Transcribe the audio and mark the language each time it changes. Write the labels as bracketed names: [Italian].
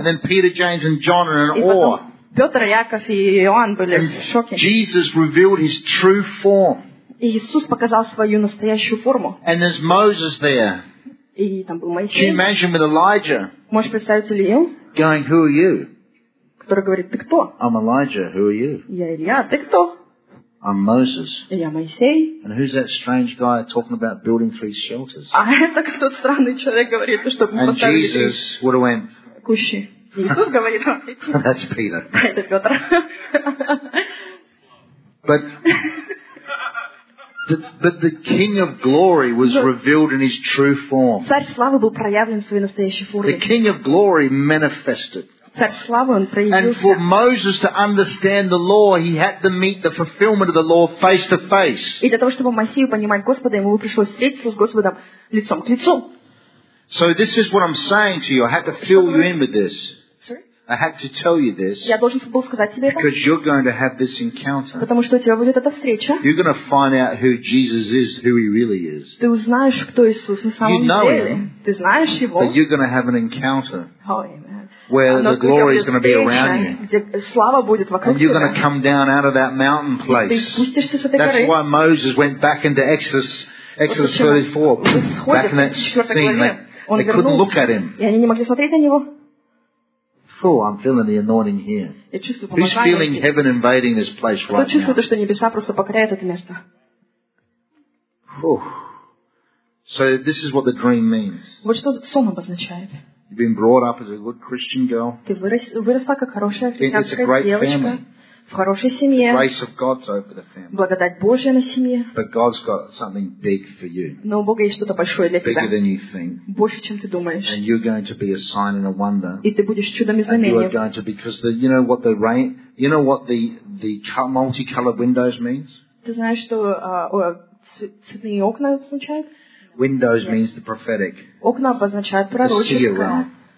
[English] And then Peter, James, and John are in awe. [Russian] Петр, Яков и Иоанн были [English] and [Russian] в шоке. [English] Jesus revealed his true form. [Russian] Иисус показал свою настоящую форму. [English] And there's Moses there. [Russian] И там был Моисей. [English] Can you imagine with Elijah? [Russian] Можешь представить Илью? [English] Going, who are you? [Russian] Который говорит, ты кто? [English] I'm Elijah. Who are you? [Russian] Я Илья. Ты кто? [English] I'm Moses. [Russian] И я Моисей. [English] And who's that strange guy talking about building three shelters? [Russian] А это кто странный человек говорит, чтобы поставить? [English] And Jesus would have went. [Russian] Кущи. Иисус говорит. [English] That's Peter. [Russian] Это Петр. [English] But. But the King of Glory was revealed in His true form. [Russian] Царь славы был проявлен в своей настоящей форме. [English] The King of Glory manifested. [Russian] Царь славы он проявился. [English] And for Moses to understand the law, he had to meet the fulfillment of the law face to face. [Russian] И для того, чтобы Моисею понимать Господа, ему пришлось встретиться с Господом лицом к лицу. [English] So this is what I'm saying to you. I had to fill you in with this. I had to tell you this because you're going to have this encounter. [Russian] Потому что у тебя будет эта встреча. [English] You're going to find out who Jesus is, who He really is. [Russian] Ты узнаешь, кто Иисус на самом деле. [English] You know Him. [Russian] Ты знаешь Его. [English] But you're going to have an encounter. Oh, amen. Where the glory is going to be around you. [Russian] Где слава будет вокруг тебя. [English] And you're going to come down out of that mountain place. [Russian] Ты спустишься с этой горы. [English] That's why Moses went back into Exodus 34. Back in that scene. They couldn't look at him. [Russian] И они не могли смотреть на него. [English] Oh, I'm feeling the anointing here. Who's feeling heaven invading this place right now? [Russian] Кто чувствует, что небеса просто покоряют это место? [English] So this is what the dream means. [Russian] Вот что сон обозначает. [English] You've been brought up as a good Christian girl. [Russian] Ты выросла как хорошая христианская девочка. В хорошей семье. [English] The grace of God's over the family. [Russian] Благодать Божья на семье. [English] But God's got something big for you. [Russian] Но у Бога есть что-то большое для тебя. [English] Bigger than you think. [Russian] Больше, чем ты думаешь. [English] And you're going to be a sign and a wonder. [Russian] И ты будешь чудом и знамением. [English] And you are going to because the you know what the rain you know what the multicolored windows means? [Russian] Ты знаешь, что цветные окна означают? [English] Windows means the prophetic. [Russian] Окна обозначают пророческое.